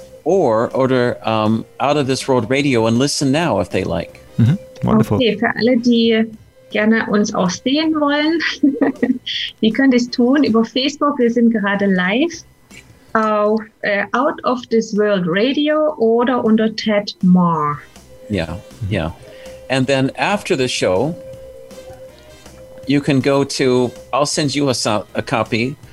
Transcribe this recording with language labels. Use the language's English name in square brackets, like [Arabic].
[English] or order Out of This World Radio and listen now if they like. Mm-hmm. Wonderful. [German] Okay, für alle, die gerne uns auch sehen wollen, die können das tun über Facebook. Wir sind gerade live auf Out of This World Radio oder unter Ted Marr. [English] Yeah, mm-hmm. yeah. And then after the show, you can go to, I'll send you a copy.